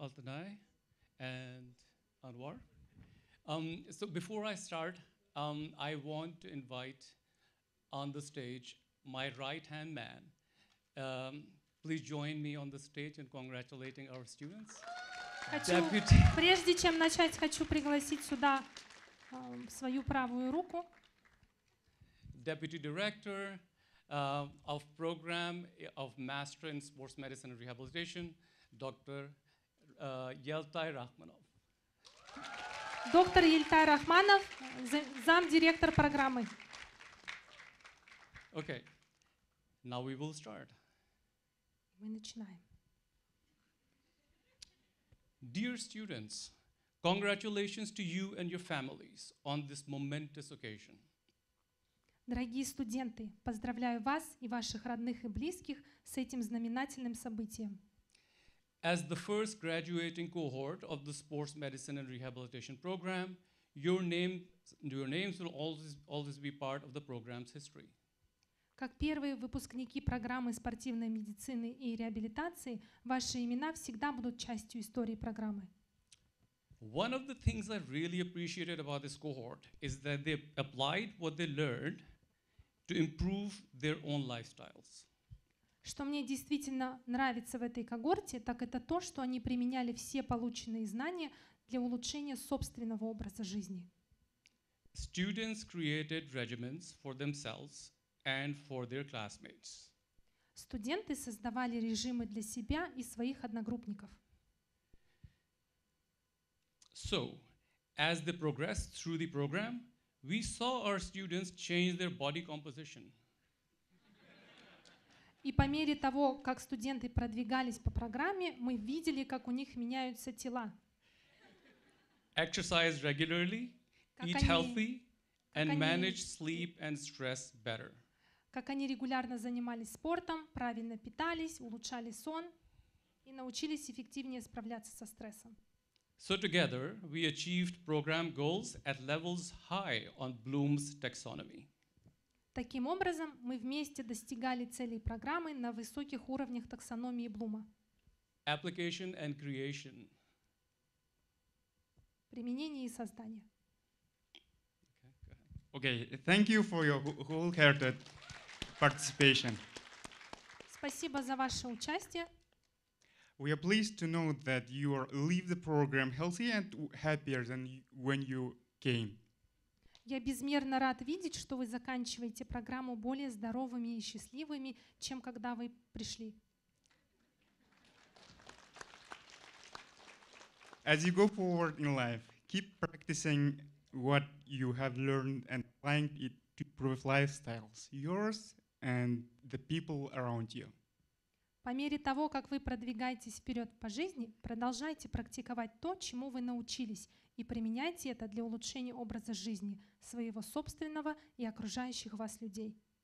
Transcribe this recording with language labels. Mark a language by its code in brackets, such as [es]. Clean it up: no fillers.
[en] Altanay and Anwar. So before I start, I want to invite on the stage my right-hand man. Please join me on the stage in congratulating our students. [ru] Прежде чем начать, хочу пригласить сюда свою правую руку. [en] Deputy Director of Program of Master in Sports Medicine and Rehabilitation, Dr. Yeltay Rahmanov. [ru] Dr. Yeltay Rahmanov, zam director programy. [en] Okay. Now we will start. [ru] Мы начинаем. [en] Dear students, congratulations to you and your families on this momentous occasion. [ru] Дорогие студенты, поздравляю вас и ваших родных и близких с этим знаменательным событием. [en] As the first graduating cohort of the Sports Medicine and Rehabilitation Program, your names will always be part of the program's history. [ru] Как первые выпускники программы спортивной медицины и реабилитации, ваши имена всегда будут частью истории программы. [en] One of the things I really appreciated about this cohort is that they applied what they learned to improve their own lifestyles. [ru] Что мне действительно нравится в этой когорте, так это то, что они применяли все полученные знания для улучшения собственного образа жизни. [en] Students created regimens for themselves and for their classmates. [ru] Студенты создавали режимы для себя и своих одногруппников. [en] So, as they progressed through the program, we saw our students change their body composition. [ru] И по мере того, как студенты продвигались по программе, мы видели, как у них меняются тела. [en] Exercise regularly, eat healthy, and manage sleep and stress better. [ru] Как они регулярно занимались спортом, правильно питались, улучшали сон и научились эффективнее справляться со стрессом. [en] So together we achieved program goals at levels high on Bloom's taxonomy. [ru] Таким образом, мы вместе достигали целей программы на высоких уровнях таксономии Блума. [en] Application and creation. [ru] Применение и создание. [en] Okay, thank you for your wholehearted participation. [ru] Спасибо за ваше участие. [en] We are pleased to know that you leave the program healthy and happier than when you came. [ru] Я безмерно рад видеть, что вы заканчиваете программу более здоровыми и счастливыми, чем когда вы пришли. [en] As you go forward in life, keep practicing what you have learned and applying it to improve lifestyles, yours and the people around you. [ru] По мере того, как вы продвигаетесь вперед по жизни, продолжайте практиковать то, чему вы научились, и применяйте это для улучшения образа жизни своего собственного и окружающих вас людей.